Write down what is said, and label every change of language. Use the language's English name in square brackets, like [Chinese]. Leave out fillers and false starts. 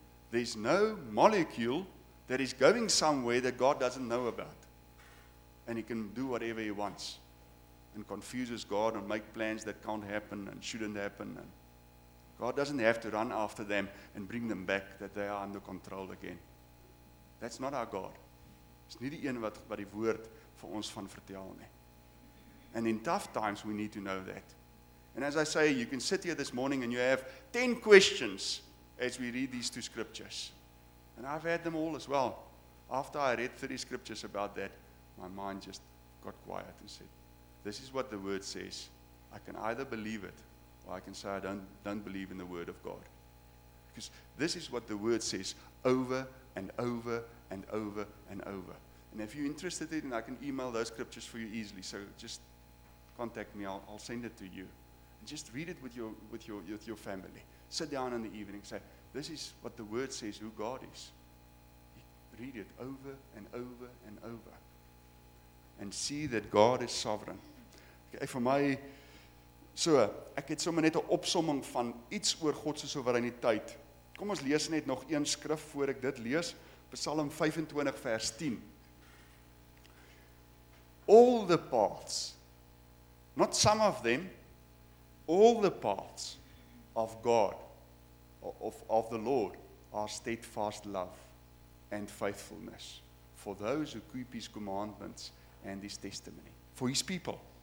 [English] There is no molecule that is going somewhere that God doesn't know about. And he can do whatever he wants. And confuses God and make plans that can't happen and shouldn't happen. And God doesn't have to run after them and bring them back that they are under control again. That's not our God. [Afrikaans] Dis nie die een wat die woord vir ons van vertel nie. [English] And in tough times we need to know that. And as I say, you can sit here this morning and you have 10 questions as we read these two scriptures. And I've had them all as well. After I read 30 scriptures about that, my mind just got quiet and said, this is what the word says. I can either believe it or I can say I don't believe in the word of God. Because this is what the word says over and over and over and over. And if you're interested in it, I can email those scriptures for you easily. So just contact me, I'll send it to you. And just read it with your family. Sit down in the evening and say, this is what the word says, who God is. Read it over and over and over. And see that God is sovereign. Okay, for my, so, [Afrikaans] ek het sommer net 'n opsomming van iets oor God se soewereiniteit. Kom ons lees net nog een skrif voor ek dit lees, Psalm 25 vers 10. [English] All the paths, not some of them, all the paths of God, of the Lord, are steadfast love and faithfulness for those who keep his commandments and his testimony, for his people.